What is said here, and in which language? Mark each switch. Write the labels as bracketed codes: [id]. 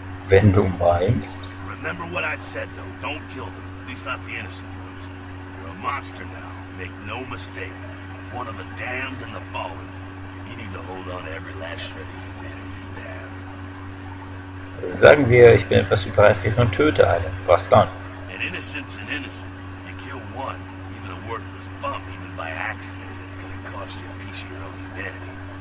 [de] Wenn du meinst. [en] Remember what I said, though. Don't kill them. At least not the innocent ones. You're a monster now. Make no mistake. One of the damned and the fallen. You need to hold on to every last shred of humanity you have. [de] Sagen wir, ich bin etwas überreifig und töte einen. Was dann? [en] An innocent's an innocent. You kill one, even a worthless bump, even by accident, it's gonna cost you a piece of your own humanity.